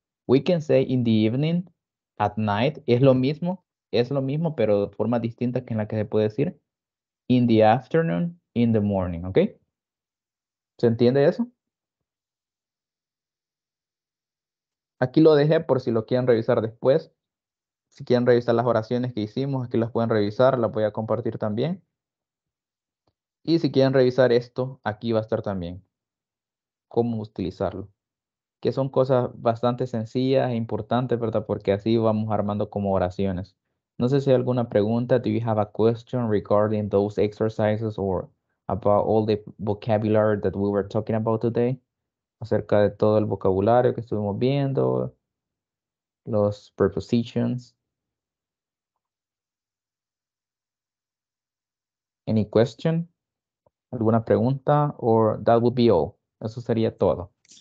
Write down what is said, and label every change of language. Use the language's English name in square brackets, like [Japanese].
[English] We can say in the evening, at night. [Spanish] Es lo mismo, pero de forma distinta que en la que se puede decir. [English] In the afternoon, in the morning. ¿Ok? [Spanish] ¿Se entiende eso? Aquí lo dejé por si lo quieren revisar después. Si quieren revisar las oraciones que hicimos, aquí las pueden revisar. Las voy a compartir también. Y si quieren revisar esto, aquí va a estar también cómo utilizarlo. Que son cosas bastante sencillas e importantes, ¿verdad? Porque así vamos armando como oraciones. No sé si hay alguna pregunta. [English] Do you have a question regarding those exercises or about all the vocabulary that we were talking about today? [Spanish] Acerca de todo el vocabulario que estuvimos viendo, los prepositions. [English] Any question? [Spanish] ¿Alguna pregunta? [English] Or that would be all. [Spanish] Eso sería todo.